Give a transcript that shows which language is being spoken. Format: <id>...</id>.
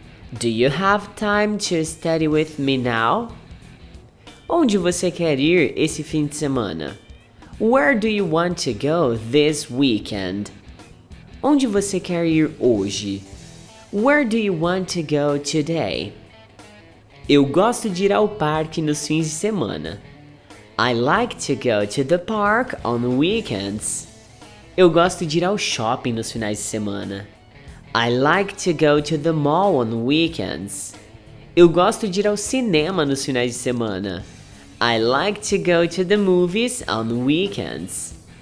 <en>Do you have time to study with me now?</en> <pt>Onde você quer ir esse fim de semana?</pt> <en>Where do you want to go this weekend?</en> <pt>Onde você quer ir hoje?</pt> <en>Where do you want to go today?</en> <pt>Eu gosto de ir ao parque nos fins de semana.</pt> <en>I like to go to the park on weekends.</en> <pt>Eu gosto de ir ao shopping nos finais de semana.</pt> <en>I like to go to the mall on weekends.</en> <pt>Eu gosto de ir ao cinema nos finais de semana.</pt> <en>I like to go to the movies on weekends.</en>